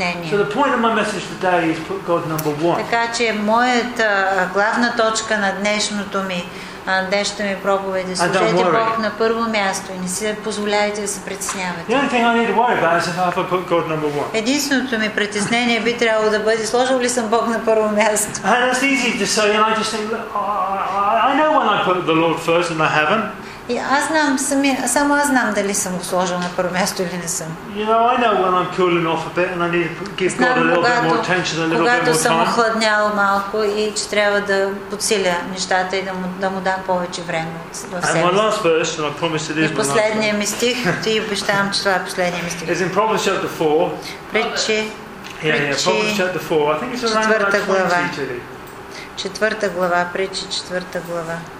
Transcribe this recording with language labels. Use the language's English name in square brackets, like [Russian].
[English] So the point of my message today is put God number one. [Bulgarian] Така че моята главна точка на днешното ми проповед е сложете Бог на първо място и не си позволявайте да се притеснявате. [English] The only thing I need to worry about is if I put God number one. [Bulgarian] Единственото ми притеснение би трябвало да бъде сложил ли съм Бог на първо място. [English] And it's easy to say, and I just think, I know when I put the Lord first and I haven't. [Bulgarian] И аз знам само аз знам дали съм го сложил на първо място или не съм. [English] You know, I know when I'm cooling off a bit and I need to give God a little bit more attention, a little bit more time. [Bulgarian] Когато съм охладнял малко и че трябва да подсиля нещата и да му дам повече време в себе. [English] And my last verse, and I promise it is my last. [Bulgarian] И последният ми стих, ти обещавам, че това е последният ми стих. [English] It's in Proverbs chapter 4. [Bulgarian] Притчи. [English] Proverbs chapter 4. I think it's around [Bulgarian] глава. Четвърта глава, притчи, четвърта глава.